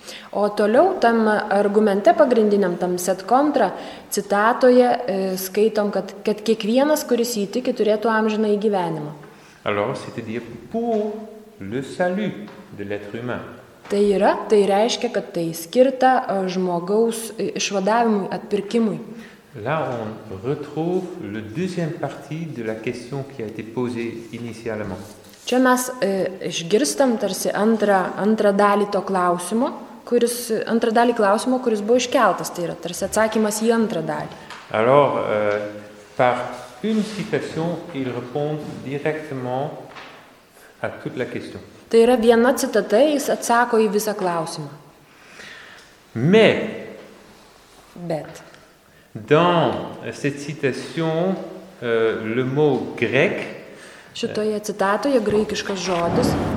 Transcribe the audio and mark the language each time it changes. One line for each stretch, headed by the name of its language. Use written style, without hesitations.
Lithuanian: O toliau tam argumente pagrindiniam, tam set contra citatoje skaitom, kad kiekvienas, kuris jį tiki, turėtų amžiną į gyvenimą.
French: Alors, c'est-à-dire pour le salut de l'être humain.
Lithuanian: Tai yra, tai reiškia, kad tai skirta žmogaus išvadavimui, atpirkimui.
French: Là, on retrouve le deuxième partie de la question qui a été posée initialement.
Lithuanian: Čia mes išgirstam tarsi antrą dalį to klausimo, kuris buvo iškeltas, tai yra tarsi atsakymas į antrą dalį.
French: Alors, par une citation, il répond directement à toute la question.
Lithuanian: Tai yra viena citata, jis atsako į visą klausimą.
French: Mais.
Lithuanian: Bet.
French: Dans cette citation, le mot grec.
Lithuanian: Šitoje citatoje graikiškas žodis.